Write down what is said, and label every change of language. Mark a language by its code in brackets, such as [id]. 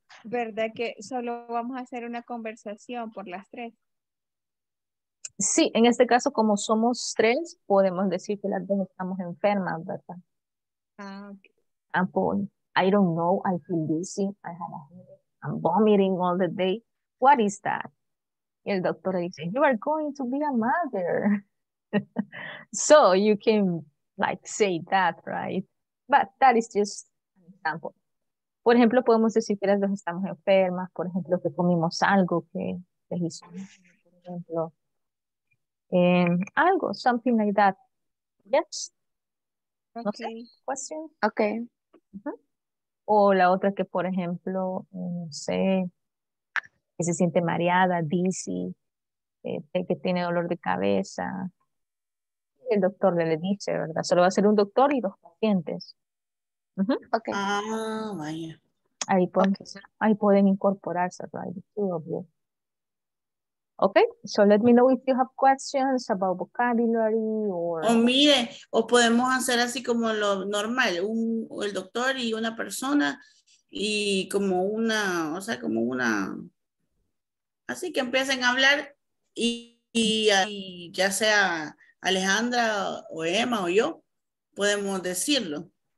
[es] ¿Verdad que solo vamos a hacer una conversación por las tres? Sí, en este caso, como somos tres, podemos decir que las dos estamos enfermas, ¿verdad? Ah, ok. [en] I don't know, I feel dizzy, I'm vomiting all the day. What is that? [es] Y el doctor dice, [en] you are going to be a mother. So you can, like, say that, right? But that is just an example. [es] Por ejemplo, podemos decir que las dos estamos enfermas, por ejemplo, que comimos algo que les hizo, por ejemplo, algo, [en] something like that. Yes? Okay. Okay. Question? Okay. Uh-huh. [es] O la otra que, por ejemplo, no sé, que se siente mareada, dizzy, que tiene dolor de cabeza. El doctor le dice, ¿verdad? Solo va a ser un doctor y dos pacientes. Uh-huh. Okay. Ah, vaya. Ahí pueden, okay. Ahí pueden incorporarse, [en] right? [es] Sí, obvio. [en] Okay, so let me know if you have questions about vocabulary or... [es] O mire, o podemos hacer así como lo normal, el doctor y una persona, y como una, o sea, como una... Así que empiecen a hablar, y ya sea Alejandra, o Emma, o yo, podemos decirlo.